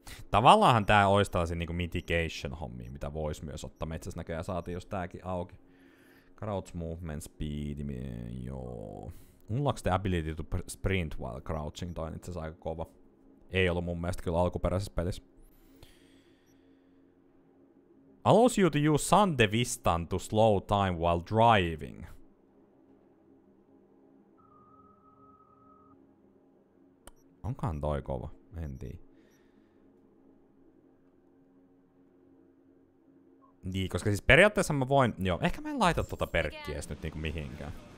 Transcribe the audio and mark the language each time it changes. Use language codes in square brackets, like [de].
[fi] Tavallaanhan tää olisi tällaisia niin kuin mitigation hommia, mitä voisi myös ottaa. Me itse asiassa näköjään saatiin just tääkin auki. [en] Crouch movement speed, [fi] joo. [en] Unlocks the ability to sprint while crouching, [fi] toi on itse asiassa aika kova. Ei ollut mun mielestä kyllä alkuperäisessä pelissä. [en] Allows you to use Sun Devistan to slow time while driving. [fi] Onkohan toi kova, en tiedä. Niin, koska siis periaatteessa mä voin... Joo, ehkä mä en laita tuota perkkiä edes nyt niinku mihinkään.